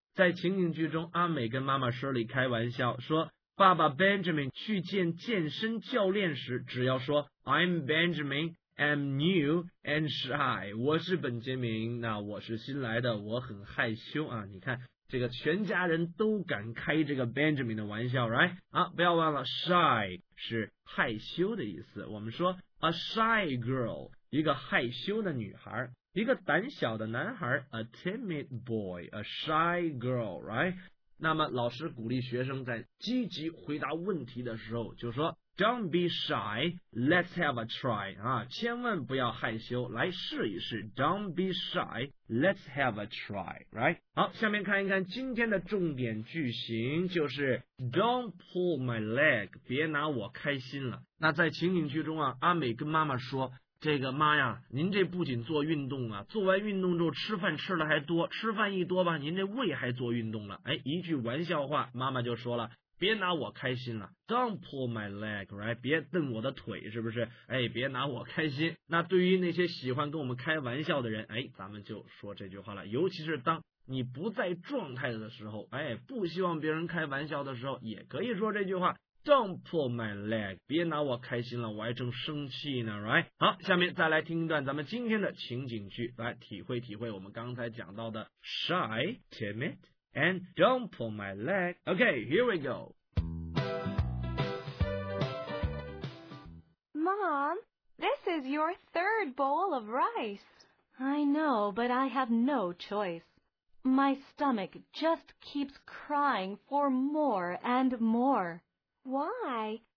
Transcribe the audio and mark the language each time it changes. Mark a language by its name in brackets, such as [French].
[Chinese] 在情景剧中，阿美跟妈妈 Shirley 开玩笑说，爸爸 Benjamin 去见健身教练时，只要说 [English] I'm Benjamin, I'm new and shy， [Chinese] 我是本杰明，那我是新来的，我很害羞啊。你看，这个全家人都敢开这个 Benjamin 的玩笑 ，right？啊，不要忘了 shy 是害羞的意思。我们说 [English] a shy girl， [Chinese] 一个害羞的女孩。一个胆小的男孩 [English] ，a timid boy, a shy girl, right? [Chinese] 那么老师鼓励学生在积极回答问题的时候，就说 [English] "Don't be shy, let's have a try." [Chinese] 啊，千万不要害羞，来试一试。 [English] Don't be shy, let's have a try, right? [Chinese] 好，下面看一看今天的重点句型，就是 [English] "Don't pull my leg," [Chinese] 别拿我开心了。那在情景剧中啊，阿美跟妈妈说。这个妈呀，您这不仅做运动啊，做完运动之后吃饭吃的还多，吃饭一多吧，您这胃还做运动了。哎，一句玩笑话，妈妈就说了，别拿我开心了 ， [English] Don't pull my leg, right？ [Chinese] 别蹬我的腿，是不是？哎，别拿我开心。那对于那些喜欢跟我们开玩笑的人，哎，咱们就说这句话了。尤其是当你不在状态的时候，哎，不希望别人开玩笑的时候，也可以说这句话。 [English] Don't pull my leg， [Chinese] 别拿我开心了，我还正生气呢 ，right？好，下面再来听一段咱们今天的情景剧，来体会体会我们刚才讲到的 [English] shy, timid, and don't pull my leg。 Okay, here we go. Mom, this is your third bowl of rice. I know, but I have no choice. My stomach just keeps crying for more and more. Why?